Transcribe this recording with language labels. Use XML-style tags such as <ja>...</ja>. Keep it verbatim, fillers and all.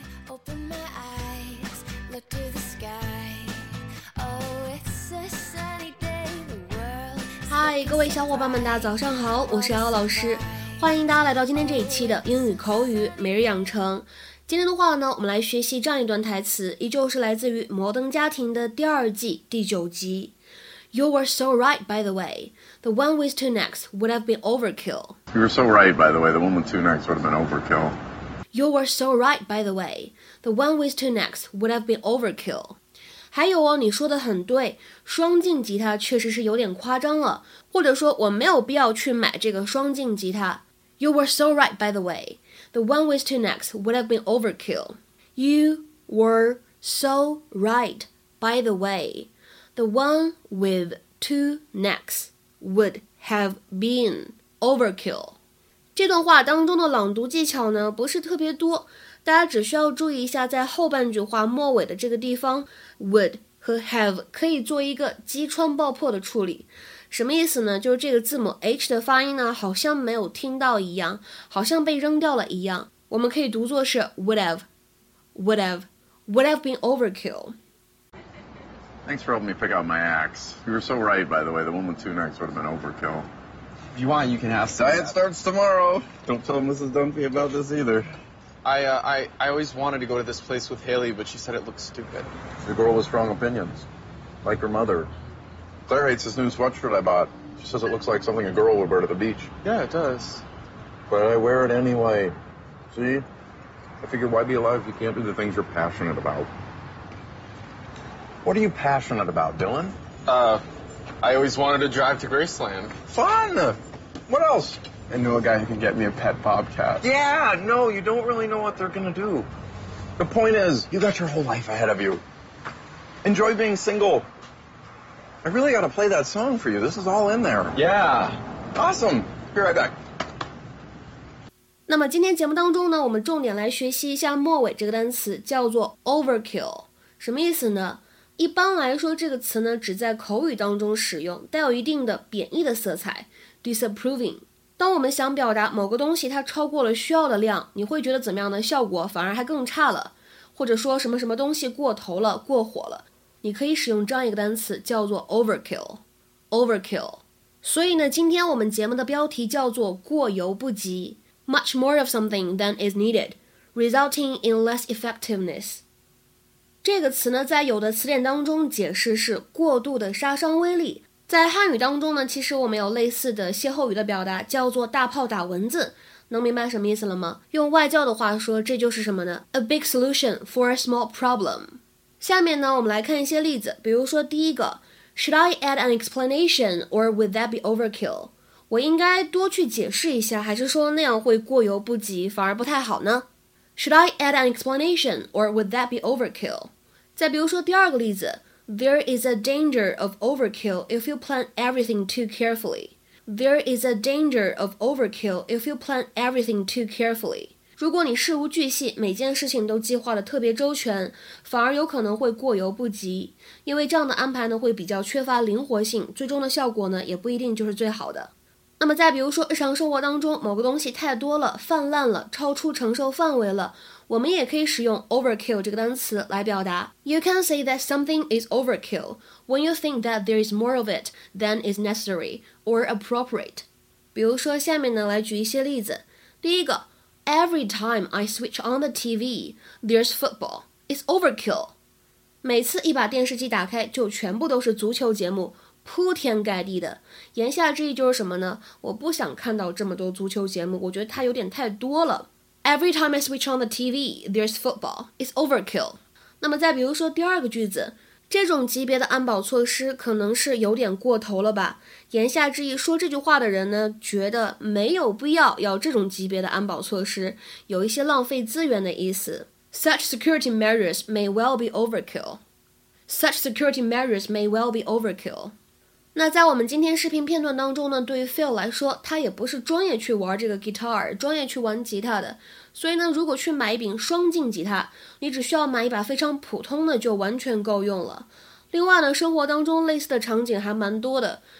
<en>Open my eyes, look to the sky. Oh, it's a sunny day. The world.</en> <zh>嗨，各位小伙伴们，大家早上好，我是姚老师，欢迎大家来到今天这一期的英语口语每日养成。今天的话呢，我们来学习这样一段台词，依旧是来自于《摩登家庭》的第二季第九集。</zh> <en>You were so right, by the way. The one with two necks would have been overkill. You were so right, by the way. The one with two necks would have been overkill. You were so right, by the way. The one with two necks would have been overkill.</en> <zh>还有哦，你说的很对，双镜吉他确实是有点夸张了，或者说我没有必要去买这个双镜吉他。</zh> <en>You were so right, by the way. The one with two necks would have been overkill. You were so right, by the way. The one with two necks would have been overkill.</en> <zh>这段话当中的朗读技巧呢不是特别多，大家只需要注意一下在后半句话末尾的这个地方 would 和 have 可以做一个击穿爆破的处理。什么意思呢？就是这个字母 H 的发音呢好像没有听到一样，好像被扔掉了一样，我们可以读作是</zh> <en>would have, would have, would have been overkill. Thanks for helping me pick out my axe. You were so right, by the way. The one with two necks would have been overkill. If you want, you can have some. Diet starts tomorrow. Don't tell Missus Dunphy about this either. I, uh, I, I always wanted to go to this place with Haley, but she said it looked stupid. The girl with strong opinions, like her mother. Claire hates this new sweatshirt I bought. She says it looks like something a girl would wear to the beach. Yeah, it does. But I wear it anyway. See? I figure why be alive if you can't do the things you're passionate about? What are you passionate about, Dylan? Uh, I always wanted to drive to Graceland. Fun! What else? I know a guy who can get me a pet bobcat. Yeah, no, you don't really know what they're going to do. The point is, you got your whole life ahead of you. Enjoy being single. I really got to play that song for you. This is all in there. Yeah. Awesome. Be right back.</en> <zh>那么今天节目当中呢，我们重点来学习一下末尾这个单词，叫做 overkill。什么意思呢？一般来说，这个词呢，只在口语当中使用，带有一定的贬义的色彩。 Disapproving， 当我们想表达某个东西它超过了需要的量，你会觉得怎么样的效果反而还更差了，或者说什么什么东西过头了，过火了，你可以使用这样一个单词叫做 overkill， overkill。所以呢，今天我们节目的标题叫做过犹不及，</zh> <en>much more of something than is needed, resulting in less effectiveness。</en> <zh>这个词呢，在有的词典当中解释是过度的杀伤威力，在汉语当中呢，其实我们有类似的歇后语的表达，叫做大炮打蚊子。能明白什么意思了吗？用外教的话说，这就是什么呢？</zh> <en>A big solution for a small problem。</en> <zh>下面呢，我们来看一些例子。比如说第一个，</zh> <en>Should I add an explanation or would that be overkill？</en> <zh>我应该多去解释一下，还是说那样会过犹不及，反而不太好呢？</zh> <en>Should I add an explanation or would that be overkill？</en> <zh>再比如说第二个例子，</zh> <en>There is a danger of overkill if you plan everything too carefully. There is a danger of overkill if you plan everything too carefully.</en> <zh>如果你事无巨细，每件事情都计划得特别周全，反而有可能会过犹不及，因为这样的安排呢，会比较缺乏灵活性，最终的效果呢，也不一定就是最好的。那么再比如说日常生活当中，某个东西太多了，泛滥了，超出承受范围了，我们也可以使用 overkill 这个单词来表达。</zh> <en>You can say that something is overkill when you think that there is more of it than is necessary or appropriate.</en> <zh>比如说下面呢，来举一些例子。第一个，</zh> <en>Every time I switch on the T V, there's football. It's overkill.</en> <zh>每次一把电视机打开，就全部都是足球节目，铺天盖地的。言下之意就是什么呢？我不想看到这么多足球节目，我觉得它有点太多了。</zh> <en>Every time I switch on the T V, there's football. It's overkill.</en> <zh>那么再比如说第二个句子，这种级别的安保措施可能是有点过头了吧。言下之意，说这句话的人呢，觉得没有必要要这种级别的安保措施，有一些浪费资源的意思。</zh> <en>Such security measures may well be overkill. Such security measures may well be overkill.</en> <zh>那在我们今天视频片段当中呢，对于 Phil 来说，他也不是专业去玩这个 guitar， 专业去玩吉他的，所以呢，如果去买一柄双镜吉他，你只需要买一把非常普通的就完全够用了。另外呢，生活当中类似的场景还蛮多的，</zh>